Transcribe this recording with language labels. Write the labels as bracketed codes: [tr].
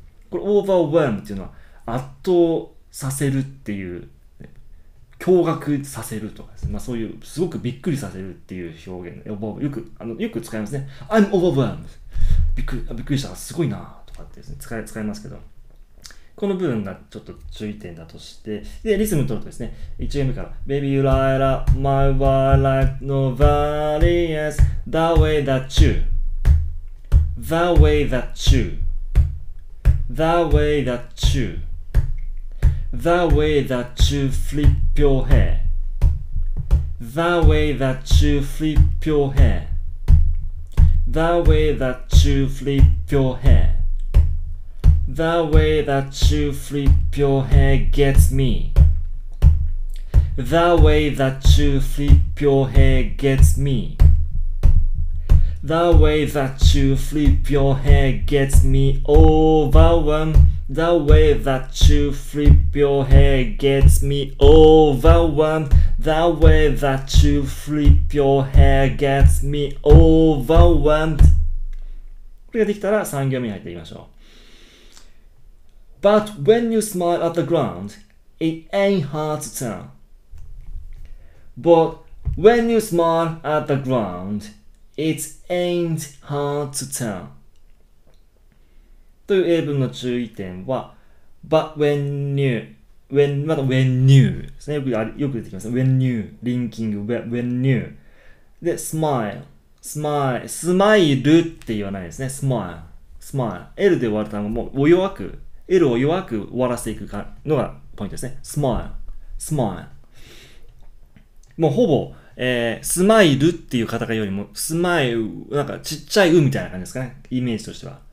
[ja] これ Overwhelmed っていうのは圧倒させるっていう、驚愕させるとかですね、まあ、そういうすごくびっくりさせるっていう表現、よく使いますね。 [en] I'm overwhelmed。 [ja] びっくりした、すごいなとかってですね、使いますけど、この部分がちょっと注意点だとして、でリズム取るとですね、1音目から [en] Baby you light up my world like nobody else. The way that youThe way that you, the way that you, the way that you flip your hair, the way that you flip your hair, the way that you flip your hair, the way that you flip your hair gets me, the way that you flip your hair gets me. The way that you flip your hair gets me overwhelmed. The way that you flip your hair gets me overwhelmed. The way that you flip your hair gets me overwhelmed. [ja] これができたら3行目に入っていきましょう。 [en] But when you smile at the ground, it ain't hard to tell. But when you smile at the ground,It ain't hard to tell. [ja] という英文の注意点は、 [en] But when you, [ja] when, また when you ですね。よく出てきます。 [en] When you, linking, when you. [ja] で、smile って言わないですね。 smile. L で終わる単語も、お弱く、L を弱く終わらせていくのがポイントですね。 [en] smile. [ja] もうほぼ、スマイルっていう方がよりも、スマイル、なんかちっちゃいうみたいな感じですかね。イメージとしては。